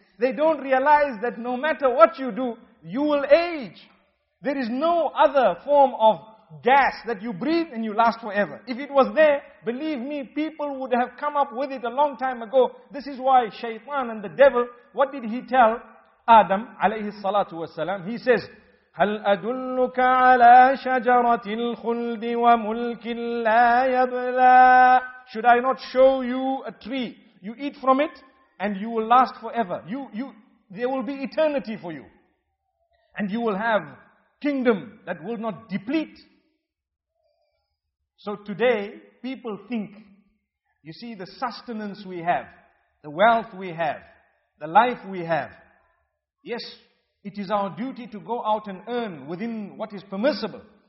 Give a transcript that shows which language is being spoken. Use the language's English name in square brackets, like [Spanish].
[English] They don't realize that no matter what you do, you will age. There is no other form of gas that you breathe and you last forever. If it was there, believe me, people would have come up with it a long time ago. This is why Shaytan and the devil, what did he tell Adam, alayhi salatu wasalam? He says, [Arabic] هَلْ أَدُلُّكَ عَلَى شَجَرَةِ الْخُلْدِ وَمُلْكٍ لَا يَبْلَىٰ. [English] Should I not show you a tree? You eat from it and you will last forever. There will be eternity for you. And you will have kingdom that will not deplete. So today, people think, you see, the sustenance we have, the wealth we have, the life we have, yes, it is our duty to go out and earn within what is permissible.